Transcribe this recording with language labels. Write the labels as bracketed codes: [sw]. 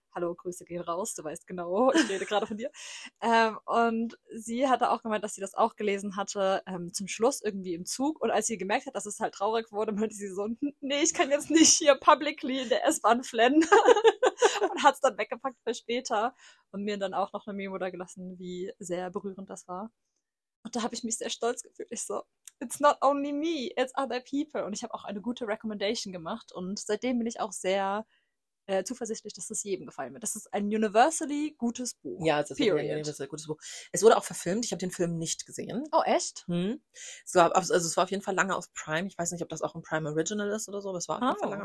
[de] Hallo, Grüße gehen raus, du weißt genau, ich rede gerade von dir. Und sie hatte auch gemeint, dass sie das auch gelesen hatte, zum Schluss irgendwie im Zug. Und als sie gemerkt hat, dass es halt traurig wurde, meinte sie so, nee, ich kann jetzt nicht hier publicly in der S-Bahn flennen. Und hat es dann weggepackt für später und mir dann auch noch eine Memo da gelassen, wie sehr berührend das war. Und da habe ich mich sehr stolz gefühlt. [en] Ich so, it's not only me, it's other people. [de] Und ich habe auch eine gute Recommendation gemacht. Und seitdem bin ich auch sehr zuversichtlich, dass es jedem gefallen wird. Das ist ein universally gutes Buch. Ja, es ist wirklich ein [en] Period. [de] universell gutes Buch. Es wurde auch verfilmt. Ich habe den Film nicht gesehen. Oh, echt? Also es war auf jeden Fall lange auf Prime. Ich weiß nicht, ob das auch ein Prime Original ist oder so, aber es war auf jeden Fall lange